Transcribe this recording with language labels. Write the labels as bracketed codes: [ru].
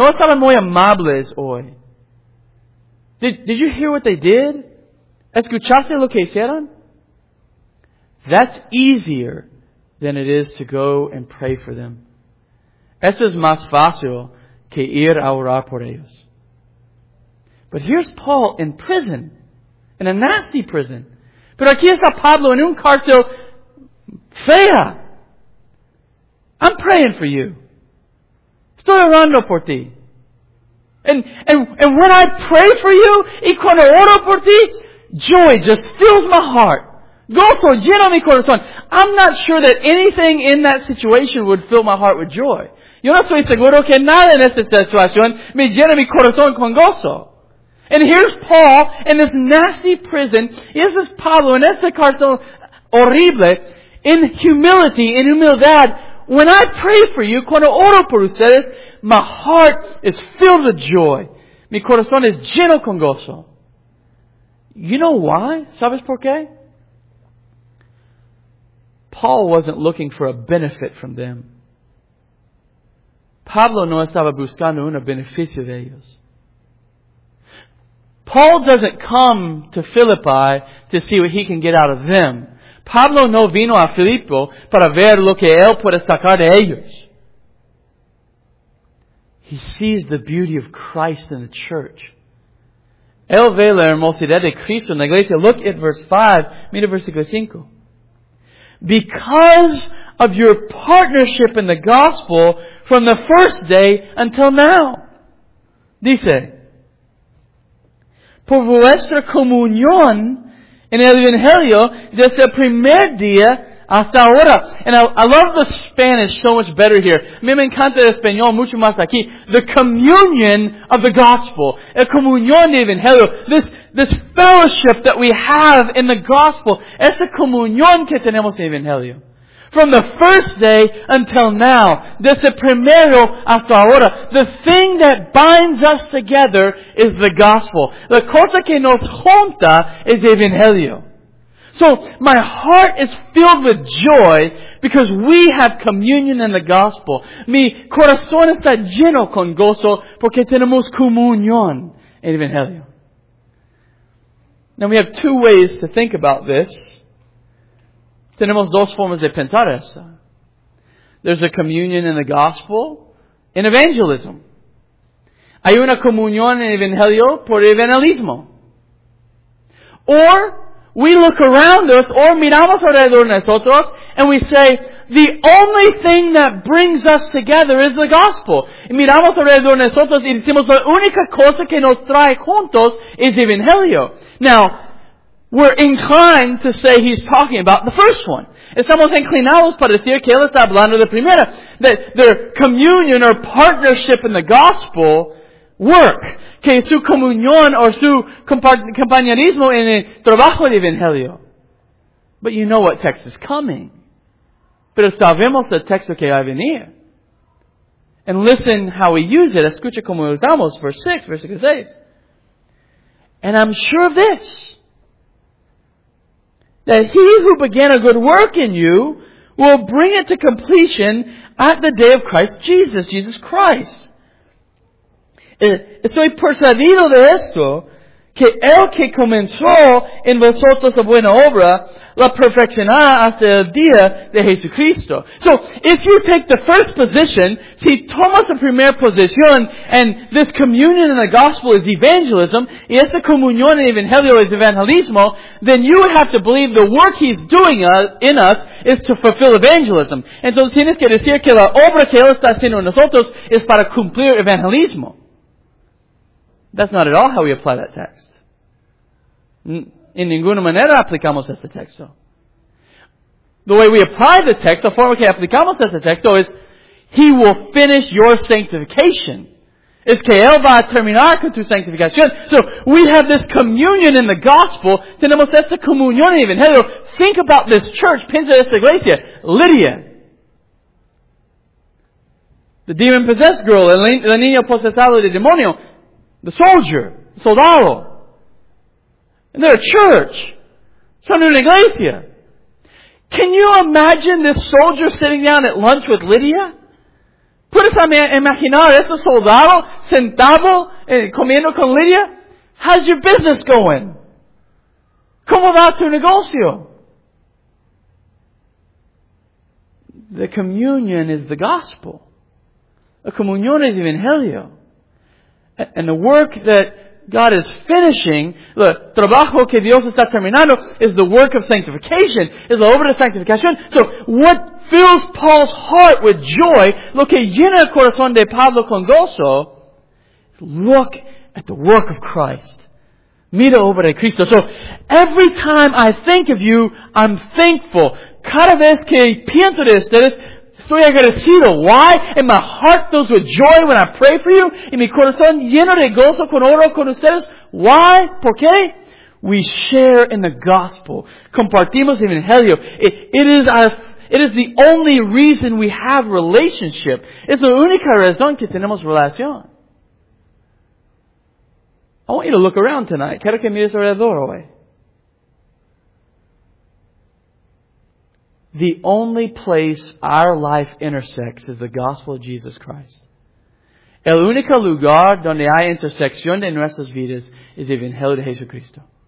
[es] No estaban muy amables hoy. [en] Did you hear what they did? [es] ¿Escuchaste lo que hicieron? [en] That's easier than it is to go and pray for them. [es] Eso es más fácil que ir a orar por ellos. [en] But here's Paul in prison. In a nasty prison. [es] Pero aquí está Pablo en un cartel fea. [en] I'm praying for you. [es] Estoy orando por ti. [en] And when I pray for you, [es] y cuando oro por ti, [en] joy just fills my heart. [es] Gozo lleno mi corazón. [en] I'm not sure that anything in that situation would fill my heart with joy. [es] Yo no estoy seguro que nada en esta situación me llena mi corazón con gozo. [en] And here's Paul in this nasty prison. This is Pablo [es] en esta cárcel horrible. [en] In humility, in humildad, when I pray for you, [es] cuando oro por ustedes, [en] my heart is filled with joy. [es] Mi corazón es lleno con gozo. [en] You know why? [es] ¿Sabes por qué? [en] Paul wasn't looking for a benefit from them. [es] Pablo no estaba buscando un beneficio de ellos. [en] Paul doesn't come to Philippi to see what he can get out of them. [es] Pablo no vino a Filipo para ver lo que él puede sacar de ellos. [en] He sees the beauty of Christ in the church. [es] Él ve la hermosidad de Cristo en la iglesia. [en] Look at verse 5. [es] Mira versículo 5. [en] Because of your partnership in the gospel from the first day until now. [es] Dice, por vuestra comunión en el Evangelio desde el primer día hasta ahora. [en] And I love the Spanish so much better here. [es] A mí me encanta el español mucho más aquí. [en] The communion of the gospel. [es] El comunión del Evangelio. [en] This fellowship that we have in the gospel. [es] Esa comunión que tenemos en el Evangelio. [en] From the first day until now. [es] Desde primero hasta ahora. [en] The thing that binds us together is the gospel. [es] La cosa que nos junta es el Evangelio. [en] So, my heart is filled with joy because we have communion in the gospel. [es] Mi corazón está lleno con gozo porque tenemos comunión en el Evangelio. [en] Now, we have two ways to think about this. [es] Tenemos dos formas de pensar esto. [en] There's a communion in the gospel in evangelism. [es] Hay una comunión en el Evangelio por el evangelismo. [en] Or, we look around us, [es] or miramos alrededor de nosotros, [en] and we say, the only thing that brings us together is the gospel. [es] Y miramos alrededor de nosotros y decimos, la única cosa que nos trae juntos es el Evangelio. [en] Now, we're inclined to say he's talking about the first one. [es] Estamos inclinados para decir que él está hablando de la primera. [en] That their communion or partnership in the gospel work. [es] Que su comunión o su compañerismo en el trabajo del Evangelio. [en] But you know what text is coming. [es] Pero sabemos el texto que va a venir. [en] And listen how we use it. [es] Escucha como usamos. [en] Verse 6, [es] versículo 6. [en] And I'm sure of this. That he who began a good work in you will bring it to completion at the day of Christ Jesus. Jesus Christ. [es] Estoy persuadido de esto, que el que comenzó en vosotros la buena obra, la perfeccionará hasta el día de Jesucristo. [en] So, if you take the first position, [es] si tomas la primera posición, [en] and this communion in the gospel is evangelism, [es] y esta comunión en el Evangelio es evangelismo, [en] then you would have to believe the work he's doing in us is to fulfill evangelism. [es] Entonces tienes que decir que la obra que él está haciendo en nosotros es para cumplir evangelismo. [en] That's not at all how we apply that text. [es] En ninguna manera aplicamos este texto. [en] The way we apply the text, the [es] forma que aplicamos este texto [en] is, he will finish your sanctification. [es] Es que él va a terminar con tu sanctificación. [en] So, we have this communion in the gospel. [es] Tenemos esta comunión en el Evangelio. [en] Think about this church. [es] Piensa en esta iglesia. [en] Lydia. The demon-possessed girl. [es] El niño posesado de demonio. [en] The soldier, the soldado. And they're a church. [es] Son de una iglesia. [en] Can you imagine this soldier sitting down at lunch with Lydia? [es] Puedes imaginar ese soldado sentado comiendo con Lydia? [en] How's your business going? [es] ¿Cómo va tu negocio? [en] The communion is the gospel. [es] La comunión es el Evangelio. [en] And the work that God is finishing, the [es] trabajo que Dios está terminando, [en] is the work of sanctification, is [es] la obra de sanctificación. [en] So, what fills Paul's heart with joy, [es] lo que llena el corazón de Pablo con gozo, [en] is look at the work of Christ. [es] Mira obra de Cristo. [en] So, every time I think of you, I'm thankful. [es] Cada vez que pienso de ustedes, estoy agradecido. [en] Why? And my heart fills with joy when I pray for you. [es] Y mi corazón lleno de gozo con oro con ustedes. [en] Why? [es] ¿Por qué? [en] We share in the gospel. [es] Compartimos el evangelio. [en] It is the only reason we have relationship. [es] Es la única razón que tenemos relación. [en] I want you to look around tonight. [es] Quiero que mires alrededor hoy. [en] The only place our life intersects is the gospel of Jesus Christ. [es] El único lugar donde hay intersección de nuestras vidas es el evangelio de Jesucristo.